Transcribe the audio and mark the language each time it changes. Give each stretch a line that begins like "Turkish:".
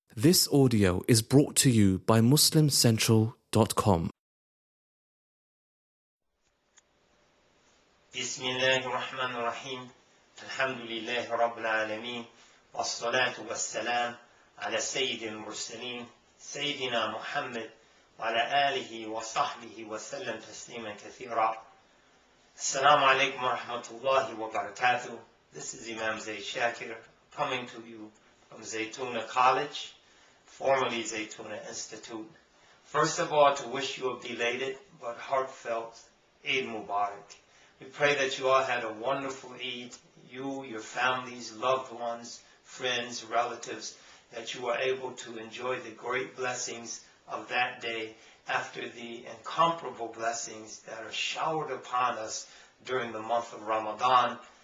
English: This audio is brought to you by MuslimCentral.com.
Arabic: بسم الله الرحمن الرحيم الحمد لله رب العالمين والصلاة والسلام على سيد المرسلين سيدنا محمد وعلى آله وصحبه وسلم تسليما كثيرا. السلام عليكم ورحمة الله وبركاته.
English: This is Imam Zaid Shakir coming to you from Zaytuna College, formerly Zaytuna Institute. First of all, to wish you a belated but heartfelt Eid Mubarak. We pray that you all had a wonderful Eid, you, your families, loved ones, friends, relatives, that you were able to enjoy the great blessings of that day after the incomparable blessings that are showered upon us during the month of Ramadan.